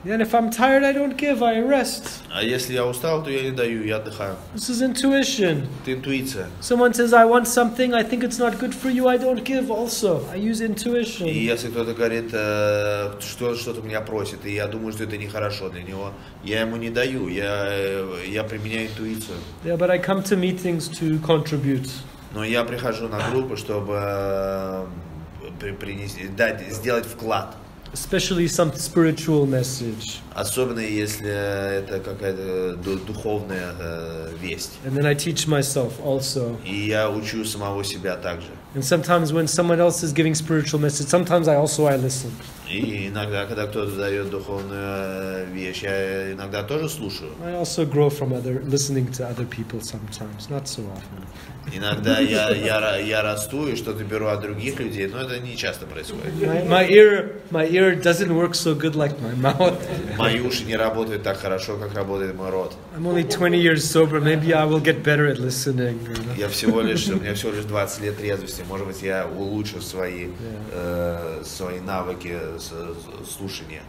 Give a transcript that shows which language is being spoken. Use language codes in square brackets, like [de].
[en] And if I'm tired, I don't give, I rest. [ru] А если я устал, то я не даю, я отдыхаю. [en] This is intuition. [ru] Это интуиция. [en] Someone says, I want something, I think it's not good for you, I don't give also. I use intuition. [ru] И если кто-то говорит, что что-то меня просит, и я думаю, что это нехорошо для него, я ему не даю, я применяю интуицию. [en] Yeah, but I come to meetings to contribute. [ru] Но я прихожу на группу, чтобы принести, дать, сделать вклад. [en] especially some spiritual message. [ru] Особенно если это какая-то духовная весть. [en] And then I teach myself also. [ru] И я учу самого себя также. [en] And sometimes when someone else is giving spiritual message, sometimes I listen. [ru] И иногда, когда кто-то дает духовную вещь, я иногда тоже слушаю. [en] I also grow from other listening to other people sometimes, not so often. [ru] Иногда я расту и что-то беру от других людей, но это не часто происходит. [en] My ear doesn't work so good like my mouth. [ru] Мои уши не работают так хорошо, как работает мой рот. [en] I'm only 20 years sober. Maybe I will get better at listening. [ru] Я всего лишь, у меня всего лишь 20 лет трезвости. Может быть, я улучшу свои навыки слушания.